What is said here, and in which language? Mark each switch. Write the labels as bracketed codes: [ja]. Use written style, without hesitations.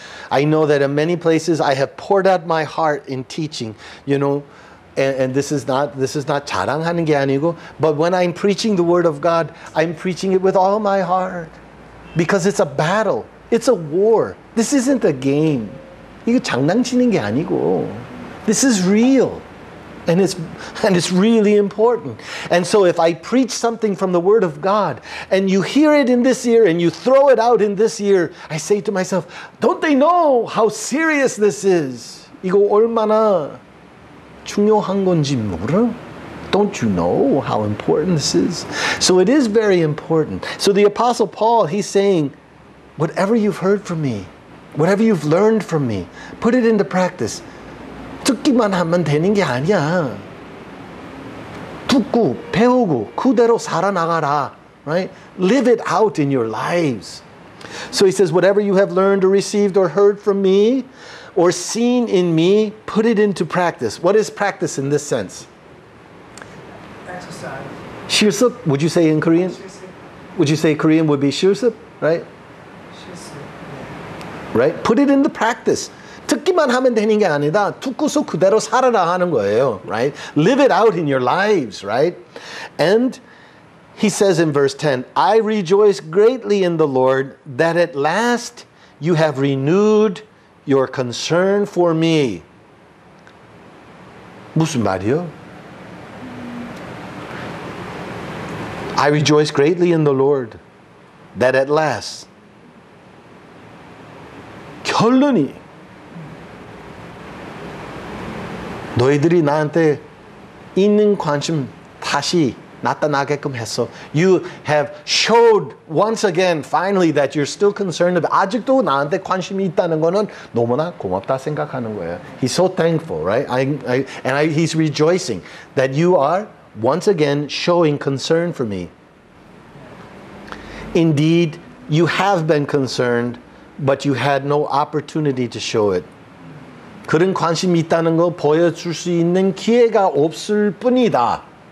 [en] I know that in many places I have poured out my heart in teaching, you know, and this is not [ko] 자랑하는 게 아니고, [en] but when I'm preaching the word of God, I'm preaching it with all my heart. Because it's a battle. It's a war. This isn't a game. [ko] 이거 장난치는 게 아니고. [en] This is real. And it's really important. And so if I preach something from the Word of God and you hear it in this ear and you throw it out in this ear, I say to myself, don't they know how serious this is? [ko] 이거 얼마나 중요한 건지 모르? [en] Don't you know how important this is? So it is very important. So the Apostle Paul, he's saying, whatever you've heard from me, whatever you've learned from me, put it into practice. [ko] 듣기만 하면 되는 게 아니야. 듣고 배우고 그대로 살아나가라. [en] Right? Live it out in your lives. So he says, whatever you have learned or received or heard from me or seen in me, put it into practice. What is practice in this sense? Exercise. [ko] 실습, [en] would you say in Korean? [ko] 실습. [en] Would you say Korean would be [ko] 실습, [en] right? [ko] 실습. [en] Right? Put it into practice. [ko] 듣기만 하면 되는 게 아니다. 듣고서 그대로 살아라 하는 거예요. [en] Right? Live it out in your lives, right? And he says in verse 10, I rejoice greatly in the Lord that at last you have renewed your concern for me. [ko] 무슨 말이요? [en] I rejoice greatly in the Lord that at last [ko] 결론이 너희들이 나한테 있는 관심 다시 나타나게끔 했어. [en] You have showed once again, finally, that you're still concerned about. [ko] 아직도 나한테 관심이 있다는 거는 너무나 고맙다 생각하는 거예요. [en] He's so thankful, right? He's rejoicing that you are once again showing concern for me. Indeed, you have been concerned, but you had no opportunity to show it. [ko] 그런 관심이 있다는 거 보여줄 수 있는 기회가 없을 뿐이다.